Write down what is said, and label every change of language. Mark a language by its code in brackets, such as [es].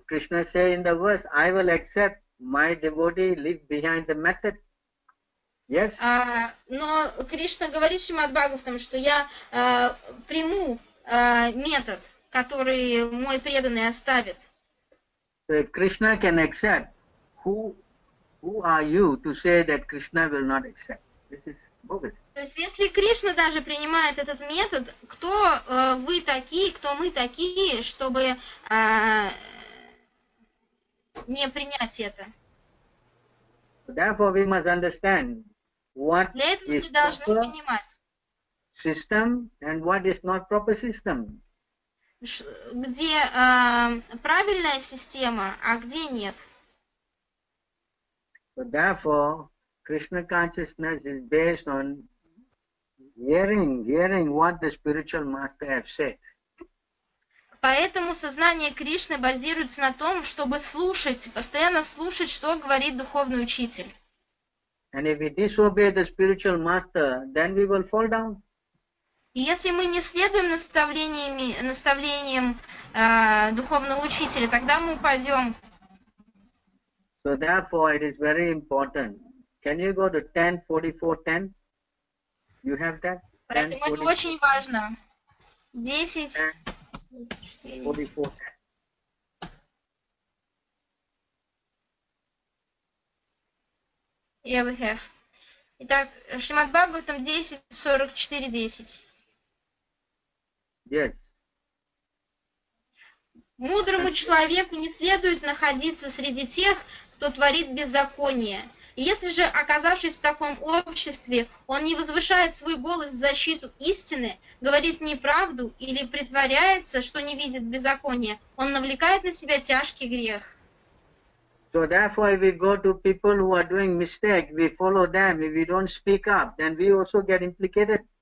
[en] Krishna said in the verse, I will accept my devotee, leave behind the method. Yes. [ru] Но Кришна говорит Шримад Бхагаватам, что я приму метод, который мой преданный оставит. [en] So if Krishna can accept, who are you to say that Krishna will not accept? This is bogus. [ru] То есть если Кришна даже принимает этот метод, кто вы такие, кто мы такие, чтобы не принять это? [en] Therefore we must understand. What [ru] для этого мы должны понимать. [en] System and what is not proper system. [ru] Где правильная система, а где нет. [en] So therefore, Krishna consciousness is based on hearing what the spiritual master have said. [ru] Поэтому сознание Кришны базируется на том, чтобы слушать, постоянно слушать, что говорит духовный учитель. [en] And if we disobey the spiritual master, then we will fall down. [ru] Если мы не следуем наставлениям духовного учителя, тогда мы упадем. [en] So therefore, it is very important. Can you go to 10:44:10? You have that? [ru] Поэтому это очень важно. [en] 10:44:10. Yeah, we have. [ru] Итак, Шримад Бхагаватам 10:44:10. [en] Yes. [ru] Мудрому человеку не следует находиться среди тех, кто творит беззаконие. Если же, оказавшись в таком обществе, он не возвышает свой голос в защиту истины, говорит неправду или притворяется, что не видит беззаконие, он навлекает на себя тяжкий грех. [en] So therefore, if we go to people who are doing mistake, we follow them. If we don't speak up, then we also get implicated.